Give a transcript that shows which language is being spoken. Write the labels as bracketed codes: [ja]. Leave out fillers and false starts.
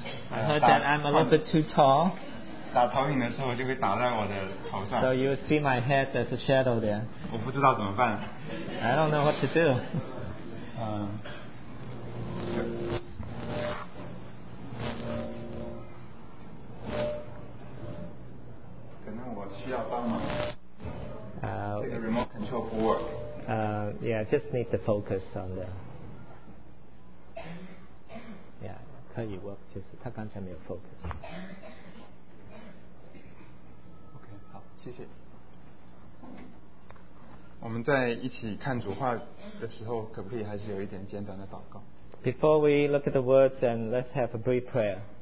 [en] I heard that I'm a little bit too tall. [zh] 打投影的时候就会打在我的头上。 [en] So you would see my head as a shadow there. [zh] 我不知道怎么办。 [en] I don't know what to do. [zh] 可能我需要帮忙。这个remote control不work。 [en] Yeah, just need to focus on the. [zh] 可以 work 就是他刚才没有 focus。 OK， 好，谢谢。我们在一起看主话的时候，可不可以还是有一点简短的祷告 [en] ？Before we look at the words and let's have a brief prayer.